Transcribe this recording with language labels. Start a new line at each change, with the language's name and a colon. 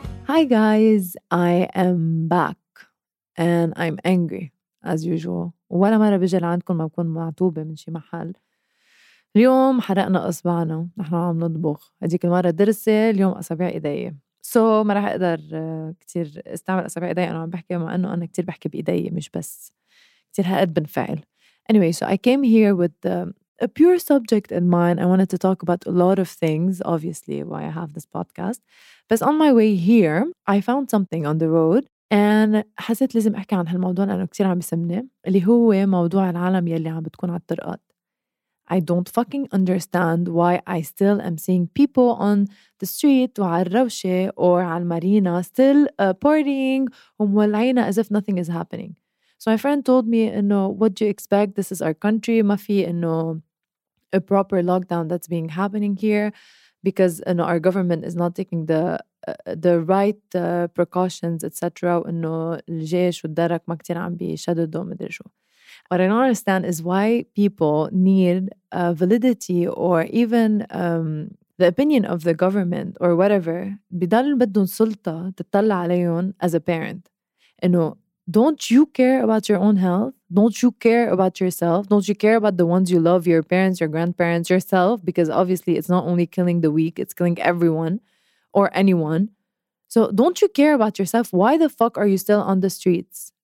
English: Hi guys, I am back and I'm angry as usual.
Arabic: ولا مرة بيجي لعندكم ما بكون معتوبة من شي محل. اليوم حرقنا أصبعنا نحن عم نطبخ. هديك المرة درسي، اليوم أصابع إيدي. So ما رح أقدر كتير استعمل أصابع إيدي أنا عم بحكي، مع أنه أنا كتير بحكي بإيدي مش بس كتير هقد بنفعل.
English: Anyway, so I came here with a pure subject in mind. I wanted to talk about a lot of things, obviously, why I have this podcast. But on my way here, I found something on the road.
Arabic: And حسيت لازم أحكي عن هالموضوع لأنه كتير عم يسمني، اللي هو موضوع العالم يلي عم بتكون على الطرقات.
English: I don't fucking understand why I still am seeing people on the street
Arabic: وعلى الروشة
English: or
Arabic: على المارينا
English: still partying
Arabic: ومولعينا
English: as if nothing is happening. So my friend told me, you know, what do you expect? This is our country.
Arabic: ما في إنه
English: a proper lockdown that's being happening here because, you know, our government is not taking the right precautions, etc.
Arabic: إنه الجيش والدرك ما كتير عم بيشددوا مدري شو.
English: What I don't understand is why people need validity or even the opinion of the government or whatever.
Arabic: بضل بدهم سلطة تطلع عليهم
English: as a parent. إنه don't you care about your own health? Don't you care about yourself? Don't you care about the ones you love, your parents, your grandparents, yourself? Because obviously it's not only killing the weak, it's killing everyone or anyone. So don't you care about yourself? Why the fuck are you still on the streets?